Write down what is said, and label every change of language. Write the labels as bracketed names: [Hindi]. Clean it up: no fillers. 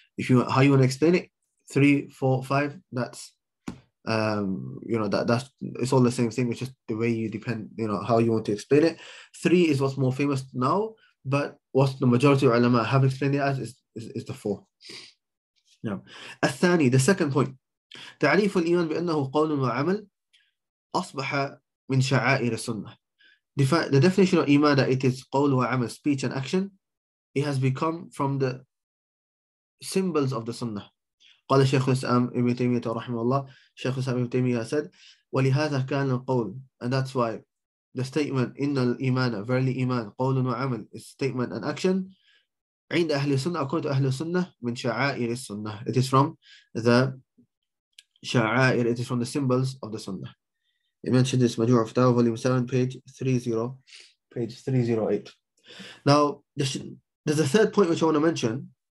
[English] If you, how you want to explain it, 3, 4, 5, that's, you know, that's, it's all the same thing. It's just the way you depend, you know, how you want to explain it. 3 is what's more famous now, but what the majority of ulama have explained it as is the 4. Now, [Arabic] الثاني, [English] the second point. [Arabic] تعريف الإيمان بأنه قول وعمل أصبح من شعائر السنة. [English] The definition of إيمان, that it is [Arabic] قول وعمل, [English] speech and action, it has become from the symbols of the Sunnah. [Arabic] قال الشيخ الإسلام ابن تيمية رحمه الله, الشيخ الإسلام ابن تيمية said, ولهذا كان القول, [English] and that's why the statement [Arabic] إن الإيمان, verily إيمان, قول وعمل, [English] is statement and action, [Arabic] عند أهل السنة, [English] according to [Arabic] أهل السنة, من شعائر السنة. [English] It is from the شعائر, it is from the symbols of the Sunnah. It mentioned this مجموع الفتاوى, volume 7, page 308. Now, there's a third point which I want to mention.